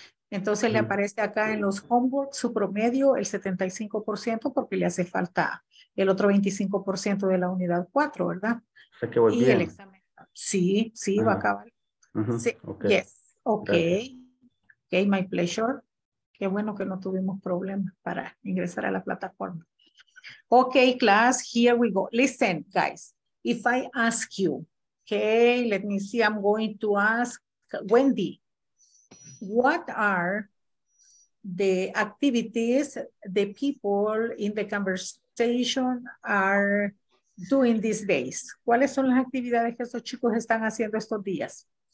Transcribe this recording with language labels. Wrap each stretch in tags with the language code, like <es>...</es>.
<es>Entonces le aparece acá en los homeworks su promedio el 75% porque le hace falta el otro 25% de la unidad 4, ¿verdad? O sea que voy bien. Y el examen. Sí, sí, va a acabar. Sí, okay.</es> <en>Yes. Okay. Okay, my pleasure.</en> <es>Qué bueno que no tuvimos problemas para ingresar a la plataforma.</es> <en>Okay, class, here we go. Listen, guys, if I ask you, okay, let me see, I'm going to ask Wendy. What are the activities the people in the conversation are doing these days?</en> <es>¿Cuáles son las actividades que estos chicos están haciendo estos días?</es>